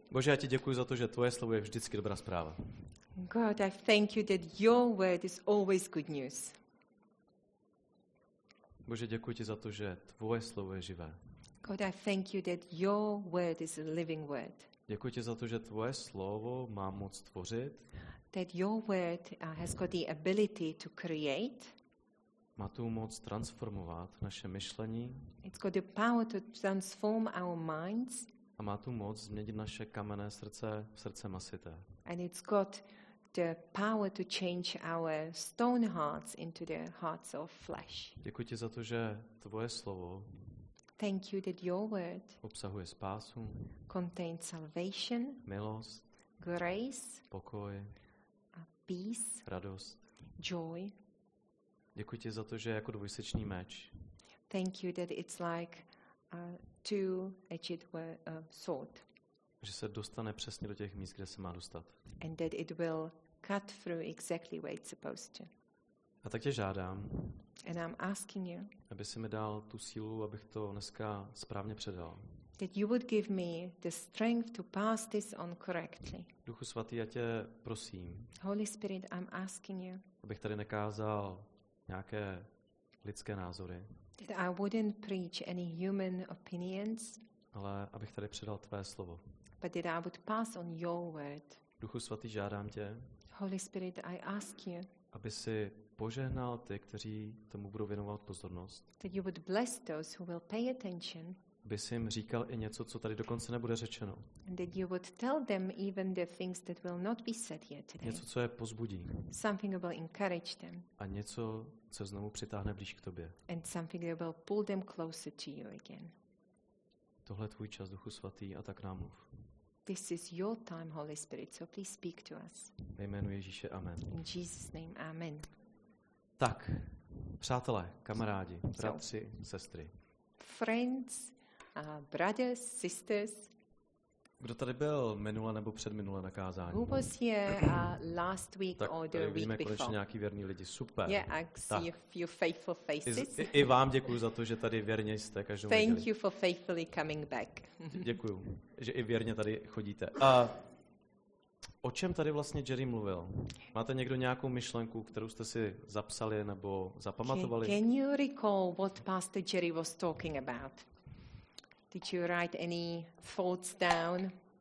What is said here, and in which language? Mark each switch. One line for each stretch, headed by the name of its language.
Czech: Bože, já ti děkuji za to, že tvoje slovo je vždycky dobrá zpráva.
English: God, I thank you that your word is always good news.
Czech: Bože, děkuji ti za to, že tvoje slovo je živé.
English: God, I thank you that your word is a living word.
Czech: Děkuji ti za to, že tvoje slovo má moc tvořit.
English: That your word has got the ability to create.
Czech: Má tu moc transformovat naše myšlení.
English: It's got the power to transform our minds.
Czech: A má tu moc změnit naše kamenné srdce v srdce masité.
English: And it's got the power to change our stone hearts into the hearts of flesh.
Czech: Děkuji ti za to, že tvoje slovo
English: thank you that your word
Czech: obsahuje spásu,
English: contains salvation,
Czech: milost,
English: grace,
Czech: pokoj,
English: a peace,
Czech: radost,
English: joy.
Czech: Děkuji ti za to, že je jako dvojsečný meč.
English: Thank you that it's like a two-edged sword.
Czech: Že se dostane přesně do těch míst, kde se má dostat.
English: And that it will cut through exactly where it's supposed to.
Czech: A tak tě žádám.
English: And I'm asking you.
Czech: Aby si mi dal tu sílu, abych to dneska správně předal.
English: That you would give me the strength to pass this on correctly.
Czech: Duchu svatý, já tě prosím.
English: Holy Spirit, I'm asking you.
Czech: Abych tady nekázal nějaké lidské názory.
English: That I wouldn't preach any human opinions.
Czech: Ale abych tady předal tvé slovo.
English: But that I would pass on your word.
Czech: Duchu svatý, žádám tě.
English: Holy Spirit, I ask you.
Czech: Aby si požehnal ty, kteří tomu budou věnovat pozornost.
English: That you would bless those who will pay attention.
Czech: Aby si jim říkal i něco, co tady dokonce nebude řečeno.
English: And that you would tell them even the things that will not be said yet today.
Czech: Něco, co je pozbudí.
English: Something that will encourage them.
Czech: A něco, co znovu přitáhne blíž k tobě.
English: And something that will pull them closer to you again.
Czech: Tohle je tvůj čas, Duchu svatý, a tak nám mluv.
English: This is your time, Holy Spirit, so please speak to us.
Czech: Ve jménu Ježíše, amen.
English: In Jesus' name, amen.
Czech: Tak, přátelé, kamarádi, bratři, sestry.
English: Friends, brothers, sisters.
Czech: Kdo tady byl minule nebo předminule na kázání?
English: Who was here last week
Czech: tak,
English: or the week
Czech: vidíme,
English: before?
Czech: Tak nějaký věrný lidi, super.
English: Yeah, I see
Czech: tak.
English: A few faithful faces.
Czech: I vám děkuju za to, že tady věrně jste každou
English: thank
Czech: neděli.
English: You for faithfully coming back.
Czech: Děkuju, že i věrně tady chodíte. O čem tady vlastně Jerry mluvil? Máte někdo nějakou myšlenku, kterou jste si zapsali nebo zapamatovali?
English: Can you recall what Pastor Jerry was talking about? Did you write any thoughts down?